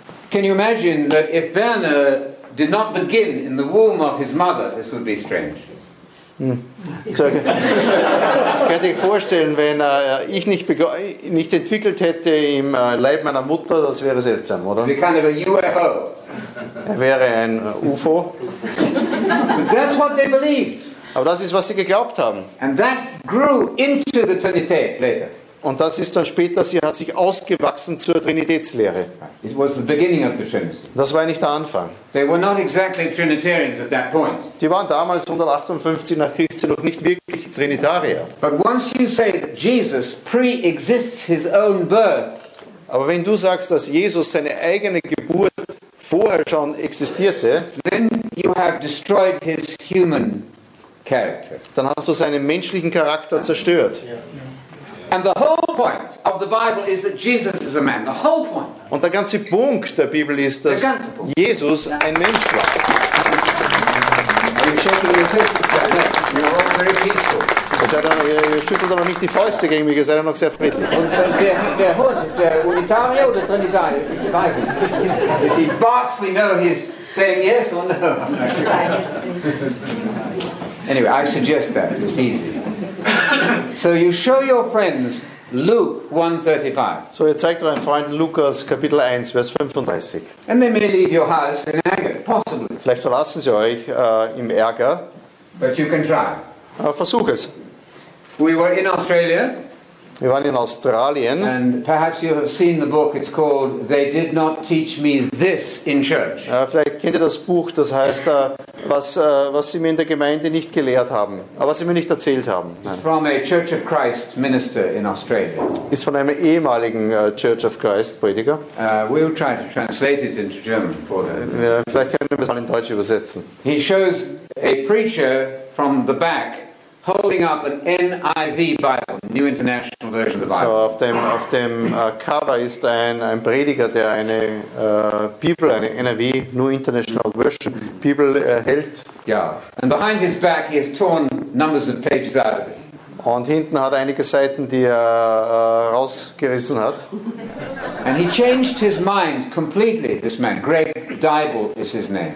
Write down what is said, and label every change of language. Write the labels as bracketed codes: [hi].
[en] Can you imagine that if Werner did not begin in the womb of his mother, this would be strange. [de] So, könnt ihr euch vorstellen, wenn ich nicht entwickelt hätte im Leib meiner Mutter, das wäre seltsam, oder? Wie kann ein UFO? Er wäre ein UFO. [en] But that's what they believed. [de] Aber das ist, was sie geglaubt haben. [en] And that grew into the Trinität later. [de] Und das ist dann später, sie hat sich ausgewachsen zur Trinitätslehre. [en] It was the beginning of the Trinity. [de] Das war nicht der Anfang. [en] They were not exactly Trinitarians at that point. [de] Die waren damals 158 nach Christi noch nicht wirklich Trinitarier. [en] But once you say that Jesus pre-exists his own birth, [de] aber wenn du sagst, dass Jesus seine eigene Geburt vorher schon existierte, [en] then you have destroyed his human character. [de] Dann hast du seinen menschlichen Charakter zerstört. [en] And the whole point of the Bible is that Jesus is a man. The whole point. [de] Und der ganze Punkt der Bibel ist, dass Jesus ein Mensch war. [en] Are you shaking your fist? You're all very peaceful. [de] Ihr schüttelt doch noch nicht die Fäuste gegen mich, ihr seid ja noch sehr friedlich. Und der Hus, ist der Unitario oder Trinitario? Ich weiß nicht. [en] He barks, we know he's saying yes or no. Anyway, I suggest that, it's easy. So you show your friends Luke 1:35. [de] So ihr zeigt euren Freunden Lukas Kapitel 1, Vers 35. [en] And they may leave your house in anger, possibly. [de] Vielleicht verlassen sie euch im Ärger. [en] But you can try. [de] Versuch es. [en] We were in Australia. [de] Wir waren in Australien. [en] And perhaps you have seen the book. It's called "They Did Not Teach Me This in Church." [de] Vielleicht kennt ihr das Buch. Das heißt, was sie mir in der Gemeinde nicht gelehrt haben, aber was sie mir nicht erzählt haben. [en] It's from a Church of Christ minister in Australia. [de] Ist von einem ehemaligen Church of Christ Prediger. [en] We'll try to translate it into German for them. [de] Vielleicht können wir es mal in Deutsch übersetzen. [en] He shows a preacher from the back. Holding up an NIV Bible, New International Version of the Bible. [de] So auf dem Cover ist ein Prediger, der eine Bibel, eine NIV, New International Version Bibel hält. Yeah. [en] And behind his back, he has torn numbers of pages out of it. [de] Und hinten hat er einige Seiten, die er rausgerissen hat. [en] And he changed his mind completely. This man, Greg Dybel, is his name.